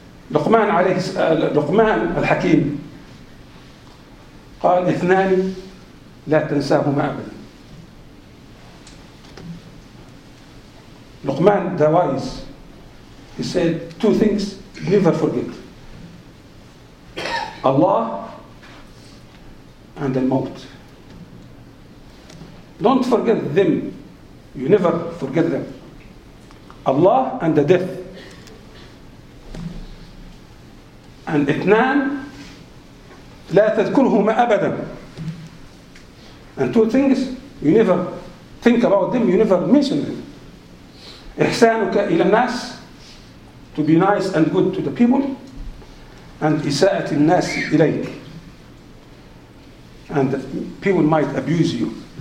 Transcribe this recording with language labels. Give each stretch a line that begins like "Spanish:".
Arabic: Luqman al-Hakim قال اثنان لا تنساهما أبدا.
English: Luqman the wise, he said two things, never forget. Allah and the maut. Don't forget them. You never forget them. Allah and the death.
Arabic: And اثنان لا تذكرهما أبدا.
English: And two things, you never think about them, you never mention them.
Arabic: إحسانك إلى الناس,
English: to be nice and good to the people, and
Arabic: إساءة الناس إليك,
English: and people might abuse you.